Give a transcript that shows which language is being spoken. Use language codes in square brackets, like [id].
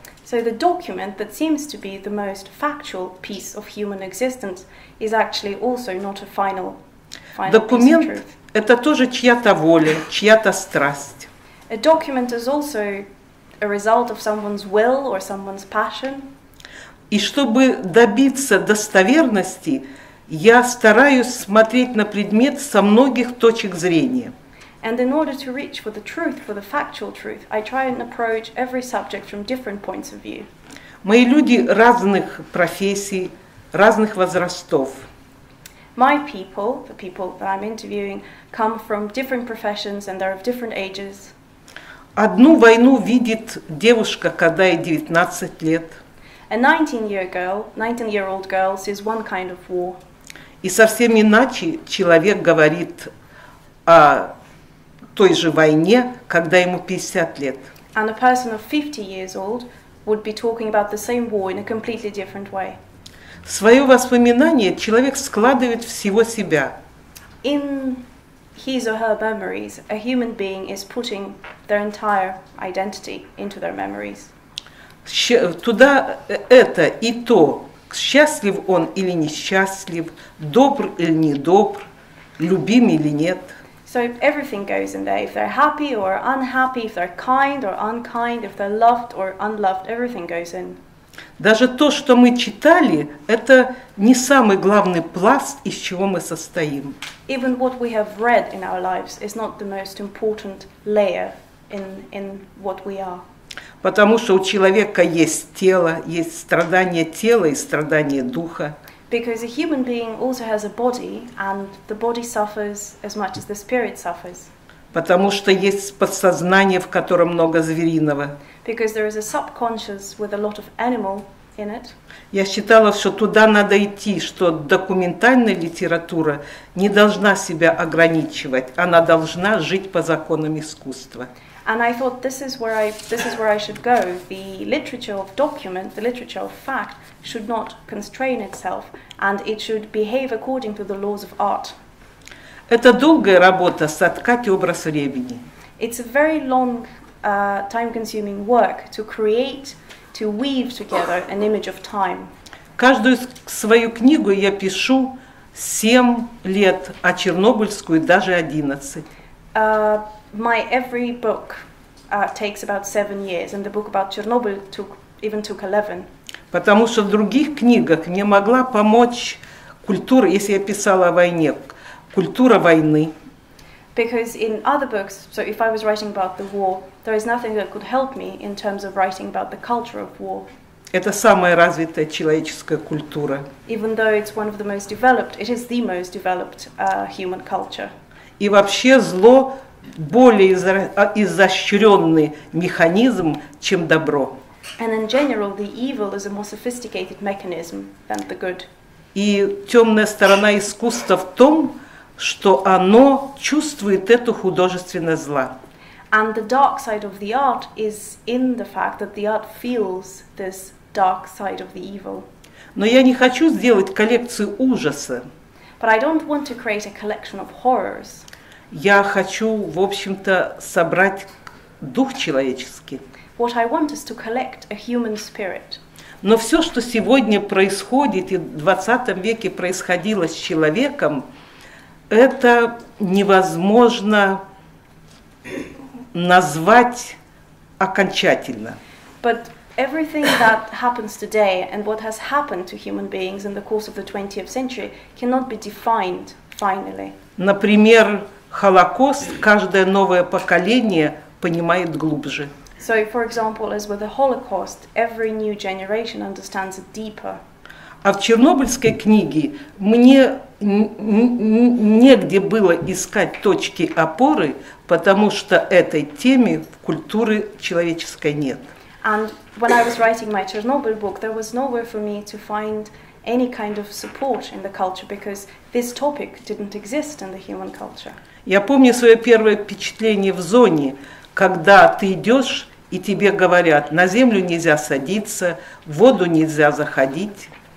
[en] So the document that seems to be the most factual piece of human existence is actually also not a final [ru] Документ – это тоже чья-то воля, чья-то страсть. [en] A document is also a result of someone's will or someone's passion. [ru] И чтобы добиться достоверности, я стараюсь смотреть на предмет со многих точек зрения. [en] And in order to reach for the truth, for the factual truth, I try and approach every subject from different points of view. [ru] Мои люди разных профессий, разных возрастов. [en] My people, the people that I'm interviewing, come from different professions and they're of different ages. [ru] Одну войну видит девушка, когда ей 19 лет. [en] A 19-year-old girl sees one kind of war. [ru] И совсем иначе человек говорит о той же войне, когда ему 50 лет. [en] And a person of 50 years old would be talking about the same war in a completely different way. [ru] В свое воспоминание человек складывает всего себя. [en] In his or her memories, a human being is putting their entire identity into their memories. [ru] Туда это и то, счастлив он или несчастлив, добр или недобр, любим или нет. [en] So everything goes in there. If they're happy or unhappy, if they're kind or unkind, if they're loved or unloved, everything goes in. [ru] Даже то, что мы читали, это не самый главный пласт, из чего мы состоим. [en] Even what we have read in our lives is not the most important layer in what we are. [ru] Потому что у человека есть тело, есть страдания тела и страдания духа. [en] Because a human being also has a body, and the body suffers as much as the spirit suffers. [ru] Потому что есть подсознание, в котором много звериного. [en] Because there is a subconscious with a lot of animal in it. [ru] Я считала, что туда надо идти, что документальная литература не должна себя ограничивать, она должна жить по законам искусства. [en] And I thought this is where I should go. The literature of document, the literature of fact, should not constrain itself, and it should behave according to the laws of art. [ru] Это долгая работа соткать образ времени. [en] It's a very long, time-consuming work to create, to weave together an image of time. [ru] Каждую свою книгу я пишу 7 лет, а чернобыльскую даже 11. [en] My every book takes about 7 years, and the book about Chernobyl took 11. [ru] Потому что в других книгах мне могла помочь культура, если я писала о войне. Культура войны. [en] Because in other books, so if I was writing about the war, there is nothing that could help me in terms of writing about the culture of war. [ru] Это самая развитая человеческая культура. [en] Even though it's one of the most developed, it is the most developed human culture. [ru] И вообще зло более изощренный механизм, чем добро. [en] And in general, the evil is a more sophisticated mechanism than the good. [ru] И темная сторона искусства в том, что оно чувствует эту художественное зло. [en] And the dark side of the art is in the fact that the art feels this dark side of the evil. [ru] Но я не хочу сделать коллекцию ужаса. [en] But I don't want to create a collection of horrors. [ru] Я хочу, в общем-то, собрать дух человеческий. [en] What I want is to collect a human spirit. [ru] Но все, что сегодня происходит и в 20 веке происходило с человеком, это невозможно назвать окончательно. [en] But everything that happens today and what has happened to human beings in the course of the 20th century cannot be defined finally. [ru] Например, Холокост каждое новое поколение понимает глубже. [en] So, for example, as with the Holocaust, every new generation understands it deeper. [ru] А в Чернобыльской книге мне негде было искать точки опоры, потому что этой теме в культуре человеческой нет. [en] And when I was writing my Chernobyl book, there was nowhere for me to find any kind of support in the culture because this topic didn't exist in the human culture. [ru] Я помню свое первое впечатление в зоне, когда ты идешь, и тебе говорят, на землю нельзя садиться, в воду нельзя заходить.